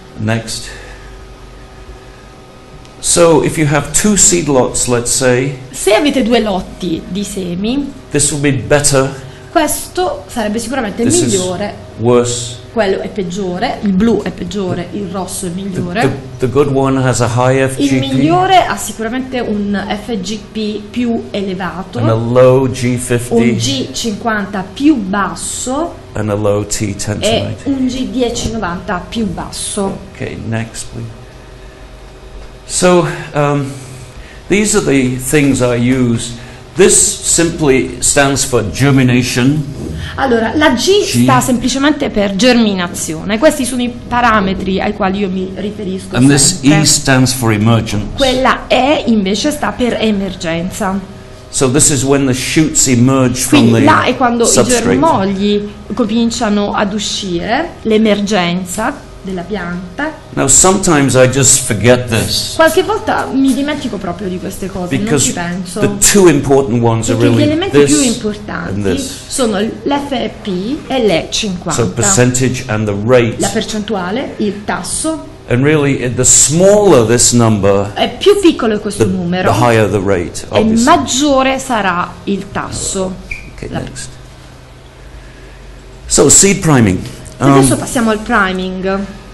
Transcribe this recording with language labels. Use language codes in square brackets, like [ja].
[en] Next. So, if you have two seed lots, let's say. [it] Se avete due lotti di semi. [en] This would be better. [it] Questo sarebbe sicuramente [en] this [it] migliore. [en] Is worse. [it] Quello è peggiore, il blu è peggiore, il rosso è migliore. [en] The good one has a high FGP. [it] Il migliore ha sicuramente un FGP più elevato. [en] And a low G50. [it] Un G50 più basso. [en] And a low T10. [it] E un G10-90 più basso. [en] Okay, next please. So, these are the things I use. This simply stands for germination. [it] Allora, la G sta semplicemente per germinazione. Questi sono i parametri ai quali io mi riferisco. [en] And [it] sempre. [en] This E stands for emergence. [it] Quella E invece sta per emergenza. [en] So this is when the shoots emerge from the substrate. [it] Quindi là è quando i germogli cominciano ad uscire, l'emergenza della pianta. [en] Now sometimes I just forget this. [it] Qualche volta mi dimentico proprio di queste cose, [en] because [it] non ci penso. [en] The two important ones are really [it] gli elementi [en] this [it] più importanti sono l'FEP e l'E50. [en] So percentage and the rate. [it] La percentuale, il tasso. [en] And really the smaller this number, [it] è più piccolo questo numero, [en] the higher the rate, [it] e maggiore sarà il tasso. [en] Okay, next. So seed priming. [it] Adesso passiamo al priming,